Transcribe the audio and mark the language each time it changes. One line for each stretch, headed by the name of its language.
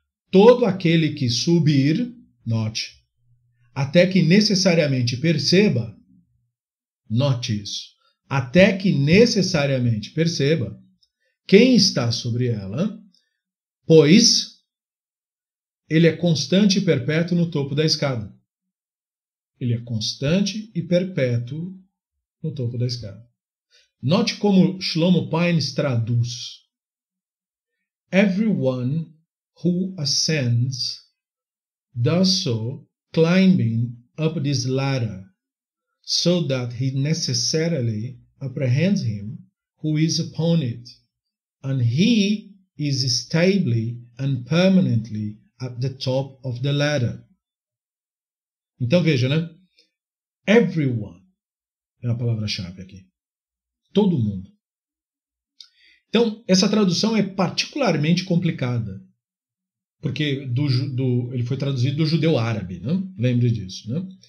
Portuguese: Todo aquele que subir, note, até que necessariamente perceba, note isso, até que necessariamente perceba quem está sobre ela, pois ele é constante e perpétuo no topo da escada. Ele é constante e perpétuo no topo da escada. Note como Shlomo Pines traduz.
English: Everyone who ascends does so climbing up this ladder, so that he necessarily apprehends him who is upon it, and he is stably and permanently at the top of the ladder.
Portuguese: Então veja, né?
English: Everyone
Portuguese: é a palavra-chave aqui. Todo mundo. Então, essa tradução é particularmente complicada, porque ele foi traduzido do judeu árabe, né? Lembre disso. Né?